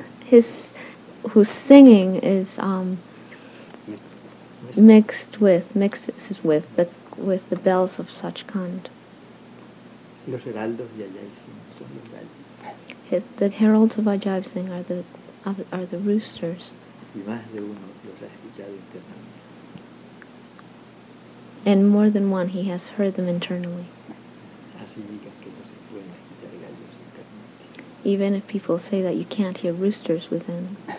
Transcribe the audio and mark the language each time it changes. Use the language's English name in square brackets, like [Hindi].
[English] Who's singing is mixed with the bells of Sachkhand. [Spanish] Los heraldos de Ajay Singh son los gallos. [English] The heralds of Ajay Singh are the roosters. [Spanish] Y más de uno los ha escuchado internamente. [English] And more than one he has heard them internally. [Spanish] Así digas que no se pueden escuchar gallos internamente. [English] Even if people say that you can't hear roosters within.